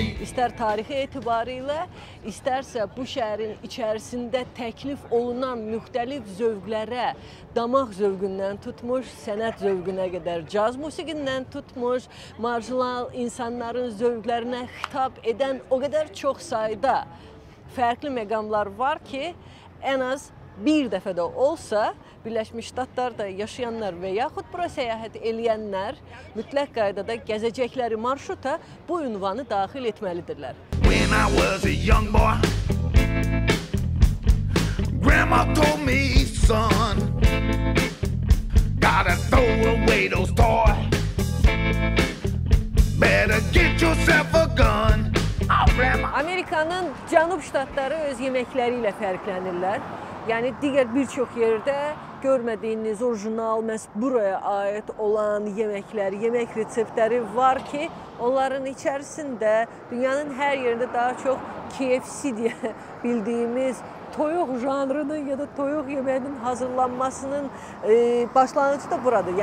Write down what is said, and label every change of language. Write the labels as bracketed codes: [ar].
[az] İstər tarixi etibarilə, istərsə bu şəhərin içərisində təklif olunan müxtəlif zövqlərə, damaq zövqündən tutmuş, sənət zövqünə qədər, caz musiqindən tutmuş, marjinal insanların zövqlərinə xitab edən o qədər çox sayda fərqli məqamlar var ki, ən az bir dəfə də olsa, Birləşmiş Ştatlarda yaşayanlar və yaxud bura səyahət eləyənlər mütləq qaydada gəzəcəkləri marşruta bu ünvanı daxil etməlidirlər. [en] When I was a young boy, Grandma told me, son, gotta throw away those toys, better get yourself a gun. [az] Amerikanın cənub ştatları öz yeməkləri ilə fərqlənirlər. Yəni, digər bir çox yerdə görmədiyiniz orijinal, məhz buraya aid olan yeməklər, yemək reseptləri var ki, onların içərisində dünyanın hər yerində daha çox KFC deyə bildiyimiz toyuq janrının ya da toyuq yeməyinin hazırlanmasının başlanıcı da buradır.